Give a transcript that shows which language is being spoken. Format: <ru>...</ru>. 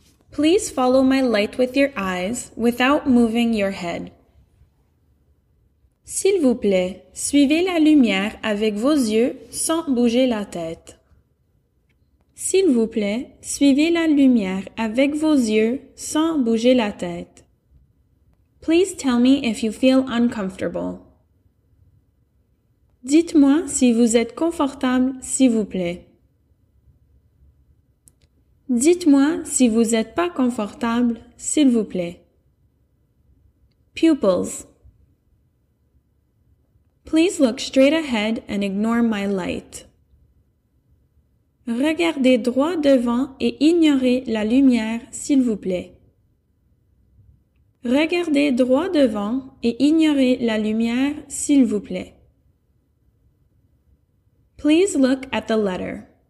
<en>Please follow my light with your eyes without moving your head.</en> <fr>S'il vous plaît, suivez la lumière avec vos yeux sans bouger la tête. S'il vous plaît, suivez la lumière avec vos yeux sans bouger la tête.</fr> <en>Please tell me if you feel uncomfortable.</en> <fr>Dites-moi si vous êtes confortable, s'il vous plaît. Dites-moi si vous n'êtes pas confortable, s'il vous plaît.</fr> <en>Pupils. Please look straight ahead and ignore my light.</en> <fr>Regardez droit devant et ignorez la lumière, s'il vous plaît. Regardez droit devant et ignorez la lumière, s'il vous plaît.</fr> <en>Please look at the letter.</en>